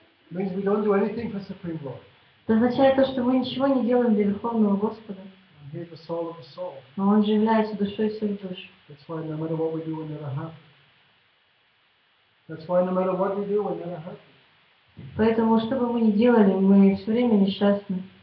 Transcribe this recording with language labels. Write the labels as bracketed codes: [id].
[en] Means we don't do anything for Supreme Lord. [ru] Это означает то, что мы ничего не делаем для Верховного Господа. [en] And he's the soul of the soul. [ru] Но он же является душой всех душ. [en] That's why no matter what we do, we're never happy. That's why no matter what we do, we're never happy. [ru] Поэтому, что бы мы ни делали, мы все время несчастны.